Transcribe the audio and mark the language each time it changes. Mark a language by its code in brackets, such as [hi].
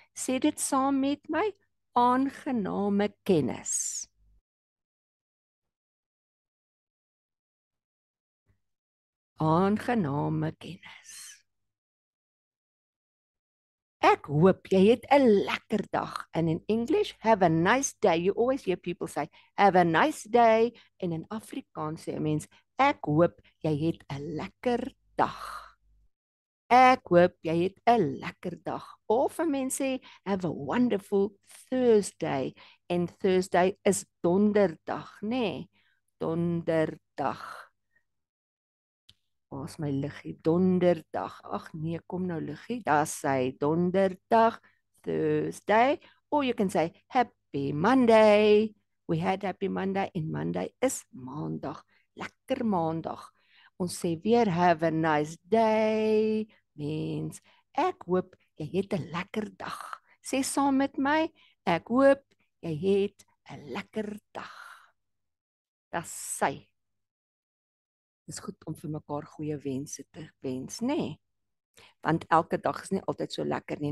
[af] Sê dit saam met my. Aangename kennis. Aangename kennis. Ek hoop jy het 'n lekker dag. [en] And in English, have a nice day. You always hear people say, have a nice day. And in [af] Afrikaans sê mens, ek hoop jy het 'n lekker dag. Ek hoop jy het 'n lekker dag. Of 'n mens sê, [en] have a wonderful Thursday. And Thursday is [af] donderdag, nee. Donderdag. Waar is my liggie? Donderdag. Ag nee, kom nou liggie. Daar sê donderdag, Thursday. [en] Or you can say, happy Monday. We had happy Monday and Monday is maandag. [af] Lekker maandag. Ons sê weer, [en] have a nice day. [af] Mens, ek hoop jy het 'n lekker dag. Sê saam met my, ek hoop jy het 'n lekker dag. Das sê. Dis goed om vir mekaar goeie wense te wens, nê? Nee. Want elke dag is nie altyd so lekker nie.